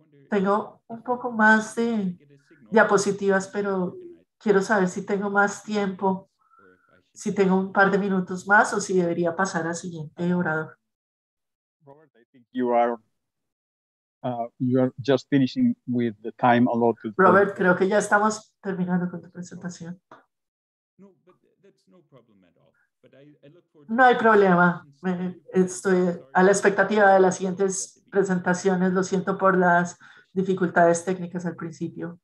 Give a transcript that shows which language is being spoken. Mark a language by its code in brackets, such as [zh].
[es] Tengo un poco más de diapositivas, pero quiero saber si tengo más tiempo, si tengo un par de minutos más o si debería pasar al siguiente orador. [en] Robert, I think you are just finishing with the time allotted. [es] Robert, creo que ya estamos terminando con tu presentación. [en] No, but that's no problem at all. But I look forward. [es] No hay problema. Estoy a la expectativa de las siguientes presentaciones. Lo siento por las dificultades técnicas al principio.